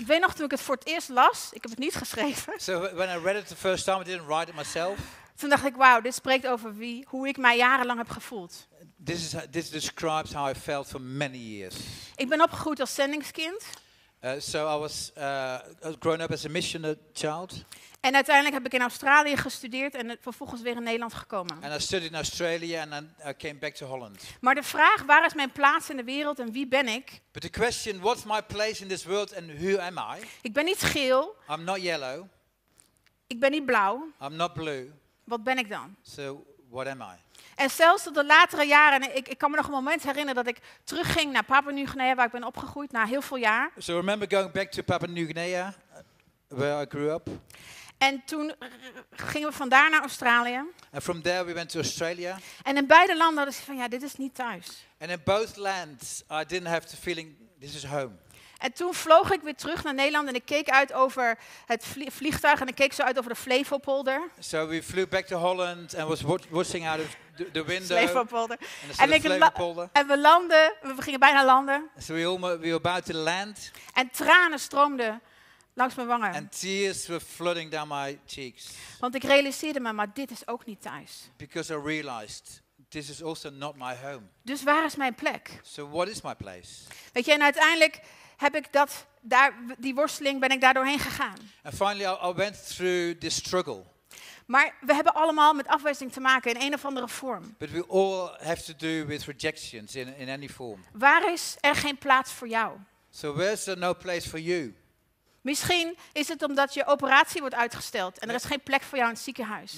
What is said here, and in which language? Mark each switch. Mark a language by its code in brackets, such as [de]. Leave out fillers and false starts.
[nl] Ik weet nog toen ik het voor het eerst las. Ik heb het niet geschreven. [en] So when I read it the first time, I didn't write it myself. [nl] Toen dacht ik, wauw, dit spreekt over hoe ik mij jarenlang heb gevoeld. [en] This describes how I felt for many years. [nl] Ik ben opgegroeid als zendingskind. [en] So I was grown up as a missionary child. [nl] En uiteindelijk heb ik in Australië gestudeerd en vervolgens weer in Nederland gekomen. [en] And I studied in Australia and then I came back to Holland. [nl] Maar de vraag, waar is mijn plaats in de wereld en wie ben ik? [en] But the question, what's my place in this world and who am I? [nl] Ik ben niet geel. [en] I'm not yellow. [nl] Ik ben niet blauw. [en] I'm not blue. [nl] Wat ben ik dan? [en] So what am I? [nl] En zelfs tot de latere jaren, en ik kan me nog een moment herinneren dat ik terugging naar Papua-Nieuw-Guinea, waar ik ben opgegroeid, na heel veel jaar. [en] So remember going back to Papua-Nieuw-Guinea, where I grew up. [nl] En toen gingen we vandaar naar Australië. [en] And from there we went to Australia. [nl] En in beide landen hadden ze van, ja, dit is niet thuis. [en] And in both lands I didn't have the feeling this is home. [nl] En toen vloog ik weer terug naar Nederland en ik keek uit over het vliegtuig en ik keek zo uit over de Flevopolder. [en] So we flew back to Holland and was watching out of the window. [nl] Flevopolder. En ik Flevopolder. En we landen, we gingen bijna landen. [en] So we were about to land. [nl] En tranen stroomden langs mijn wangen. [en] And tears were flooding down my cheeks. [nl] Want ik realiseerde me, maar dit is ook niet thuis. [en] Because I realized this is also not my home. [nl] Dus waar is mijn plek? [en] So what is my place? [nl] Weet je, en uiteindelijk heb ik dat daar die worsteling ben ik daar doorheen gegaan. [en] And finally I went through this struggle. [nl] Maar we hebben allemaal met afwijzing te maken in een of andere vorm. [en] But we all have to do with rejections in any form. [nl] Waar is er geen plaats voor jou? [en] So where's there no place for you? [nl] Misschien is het omdat je operatie wordt uitgesteld en er is geen plek voor jou in het ziekenhuis.